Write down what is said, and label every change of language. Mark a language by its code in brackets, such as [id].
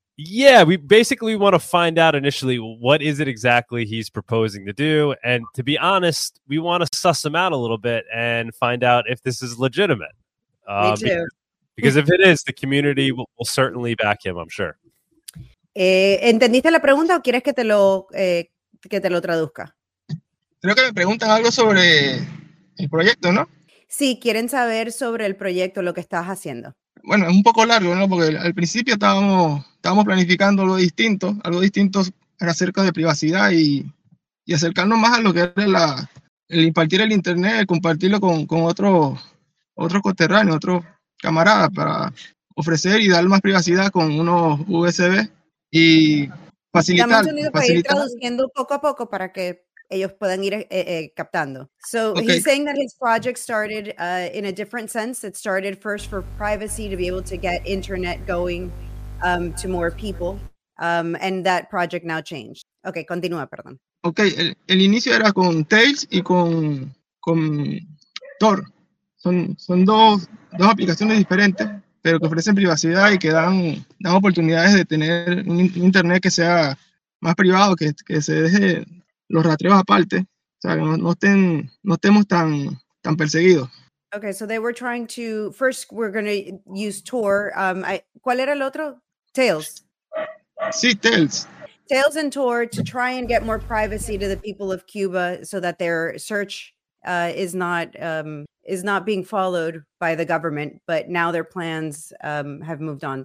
[en] Yeah, we basically want to find out initially what is it exactly he's proposing to do. And to be honest, we want to suss him out a little bit and find out if this is legitimate. Me too. Because if it is, the community will certainly back him, I'm sure. [es] ¿Entendiste la pregunta o quieres que te lo traduzca? Creo que me preguntan algo sobre el proyecto, ¿no? Sí, quieren saber sobre el proyecto, lo que estás haciendo. Bueno, es un poco largo, ¿no? Porque al principio estábamos planificando algo distinto acerca de privacidad y acercarnos más a lo que es el impartir el internet, el compartirlo con otro coterráneo, otro camarada para ofrecer y dar más privacidad con unos USB. Y facilitar. Estamos unidos para ir traduciendo poco a poco para que ellos puedan ir captando. [en] So okay. He's saying that his project started in a different sense. It started first for privacy, to be able to get internet going to more people. And that project now changed. Okay, [es] continúa, perdón. Okay, el inicio era con Tails y con Tor. Son dos aplicaciones diferentes, pero que ofrecen privacidad y que dan oportunidades de tener un internet que sea más privado, que se deje los rastreos aparte, o sea, que no estemos tan perseguidos. [en] Okay, so they were trying to, first we're going to use Tor. [es] ¿Cuál era el otro? Tails. Sí, Tails. [en] Tails and Tor to try and get more privacy to the people of Cuba so that their search is not being followed by the government, but now their plans have moved on.